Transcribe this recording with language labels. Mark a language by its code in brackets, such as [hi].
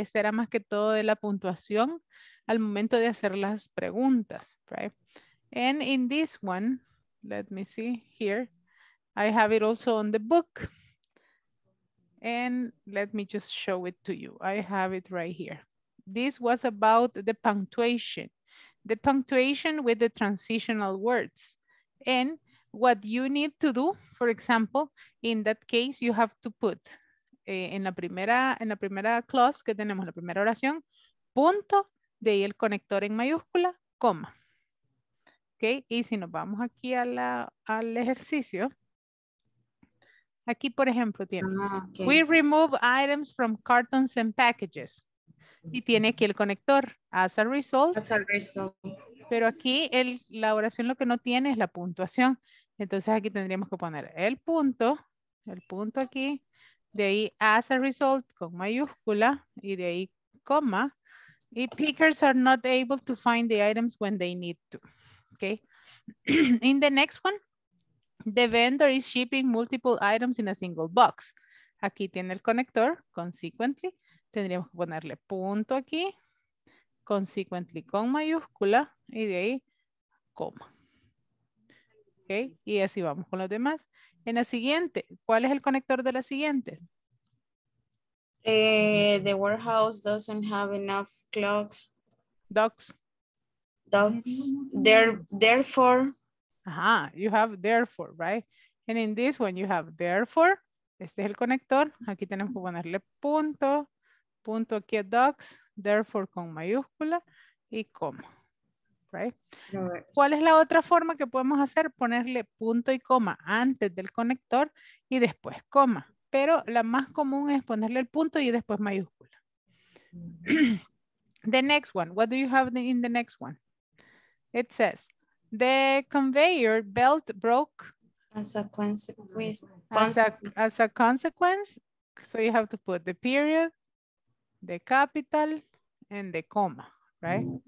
[es] Este era más que todo de la puntuación al momento de hacer las preguntas, right? [en] And in this one, let me see here, I have it also on the book. And let me just show it to you. I have it right here. This was about the punctuation. The punctuation with the transitional words. And what you need to do, for example, in that case, you have to put en la primera clause que tenemos, la primera oración, punto, de ahí el conector en mayúscula, coma. [es] Okay, y si nos vamos aquí a la, al ejercicio, aquí por ejemplo tiene, okay. [en] We remove items from cartons and packages. [es] Y tiene aquí el conector, [en] as a result. [es] Pero aquí el, la oración lo que no tiene es la puntuación. Entonces aquí tendríamos que poner el punto aquí, de ahí [en] as a result [es] con mayúscula y de ahí coma. [en] Y pickers are not able to find the items when they need to. Okay. In the next one, the vendor is shipping multiple items in a single box. [es] Aquí tiene el conector, consequently. Tendríamos que ponerle punto aquí, consequently con mayúscula y de ahí coma. Okay. Y así vamos con los demás. En la siguiente, ¿cuál es el conector de la siguiente? [en] The warehouse doesn't have enough clocks. Dogs. Therefore. Uh-huh. You have therefore, right? And in this one, you have therefore. [es] Este es el conector. Aquí tenemos que ponerle punto. Punto aquí a dogs. Therefore con mayúscula. Y coma. Right? ¿Cuál es la otra forma que podemos hacer? Ponerle punto y coma antes del conector y después coma. Pero la más común es ponerle el punto y después mayúscula. [en] The next one. What do you have in the next one? It says, the conveyor belt broke. As a consequence. So you have to put the period, the capital, and the comma, right?